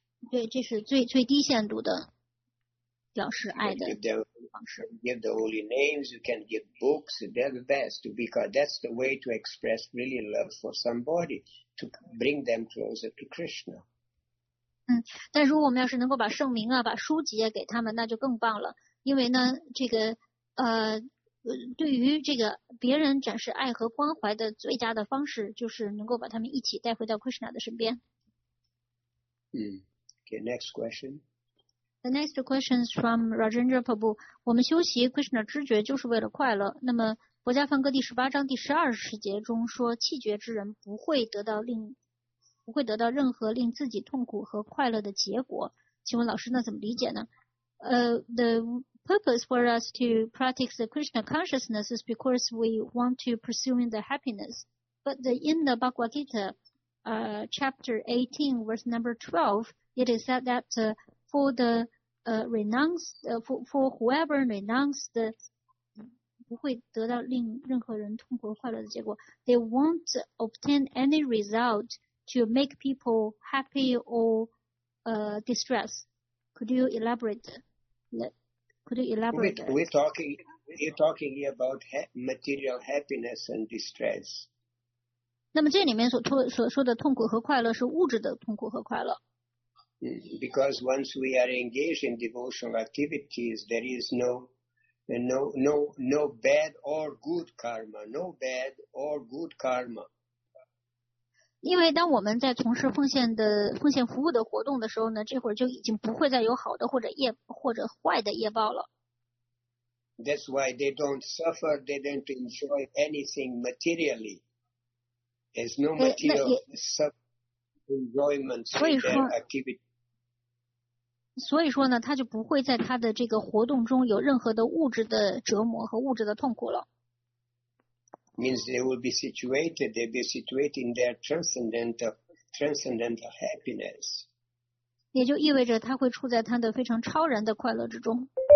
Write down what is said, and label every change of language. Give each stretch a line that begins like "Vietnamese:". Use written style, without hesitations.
Chinese: 对，这是最最低限度的表示爱的方式。
English: Give the holy names, you can give books, they're the best, because that's the way to express really love for somebody, to bring them closer to Krishna.
Chinese: 但如果我们要是能够把圣名啊把书籍也给他们，那就更棒了。因为呢这个对于这个别人展示爱和关怀的最佳的方式，就是能够把他们一起带回到 Krishna 的身边。
English: Okay, next question. The next question is from Rajendra Prabhu.
Chinese: 我们修习 Krishna 知觉就是为了快乐。那么佛家梵歌第十八章第十二十节中说，气绝之人不会得到任何令自己痛苦和快乐的结果。请问老师，那怎么理解呢？
English: The purpose for us to practice the Krishna consciousness is because we want to pursue the happiness. But in the Bhagavad Gita, chapter 18, verse number 12, it is said that for the for whoever renounced the
Chinese: 不会得到令任何人痛苦和快乐的结果
English: They won't obtain any result to make people happy or distressed. Could you elaborate? We're talking about material happiness and distress.
Chinese: 那么这里面所说的痛苦和快乐是物质的痛苦和快乐。
English: Because once we are engaged in devotional activities, there is no bad or good karma, no bad or good karma.
Chinese: 因为当我们在从事奉献服务的活动的时候呢，这会儿就已经不会再有好的或者坏的业报了。
English: That's why they don't suffer, they don't enjoy anything materially. There's no material enjoyment in their activity.
Chinese: 所以说呢，他就不会在他的这个活动中有任何的物质的折磨和物质的痛苦了。
English: Means they will be situated, they'll be situated in their transcendental happiness.
Chinese: 也就意味着他会处在他的非常超然的快乐之中。